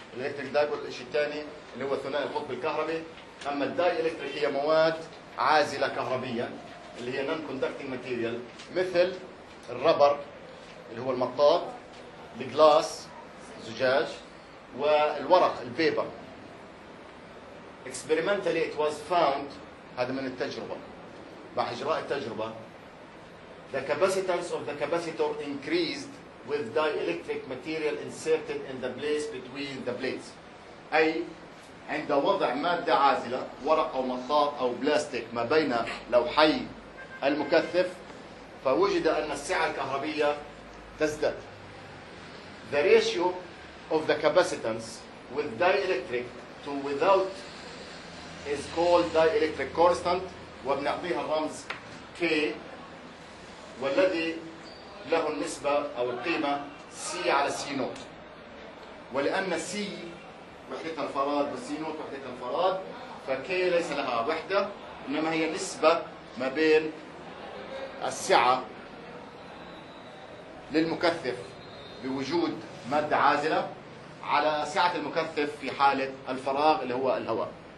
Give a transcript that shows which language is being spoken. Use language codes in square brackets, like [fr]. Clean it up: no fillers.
[ar] الكتريك دايبول الشيء الثاني اللي هو ثنائي القطب الكهربي، اما الداي الكتريك هي مواد عازله كهربيا اللي هي [en] non conducting material, [ar] مثل الربر اللي هو المطاط، الجلاس زجاج، والورق البيبر. [en] Experimentally it was found، [ar] هذا من التجربة، بعد إجراء التجربة، [en] the capacitance of the capacitor increased with dielectric material inserted in the place between the blades. [ar] أي عند وضع مادة عازلة، ورق أو مطاط أو بلاستيك ما بين لوحي المكثف، فوجد أن السعة الكهربية تزداد. [en] The ratio of the capacitance with dielectric to without is called dielectric constant، [ar] وبنعطيها رمز K، والذي له النسبة أو القيمة C على C نوت. ولأن C وحدتها الفراغ وC نوت وحدتها الفراغ، فK ليس لها وحدة، إنما هي نسبة ما بين السعة للمكثف بوجود مادة عازلة على سعة المكثف في حالة الفراغ اللي هو الهواء.